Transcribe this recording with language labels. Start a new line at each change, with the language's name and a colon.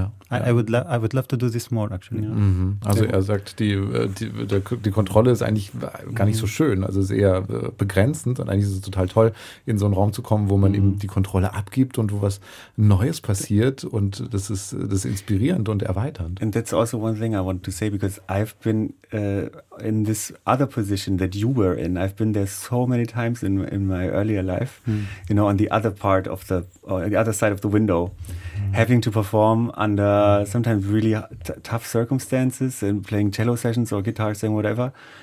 English: I would love to do this more, actually.
German: Also er sagt, die Kontrolle ist eigentlich gar nicht so schön. Also es ist eher begrenzend und eigentlich ist es total toll, in so einen Raum zu kommen, wo man eben die Kontrolle abgibt und wo was Neues passiert. Und das ist inspirierend und erweiternd.
English: And that's also one thing I want to say, because I've been in this other position that you were in. I've been there so many times in my earlier life, you know, on the other part of the other side of the window, having to perform under sometimes really tough circumstances and playing cello sessions or guitar singing, whatever.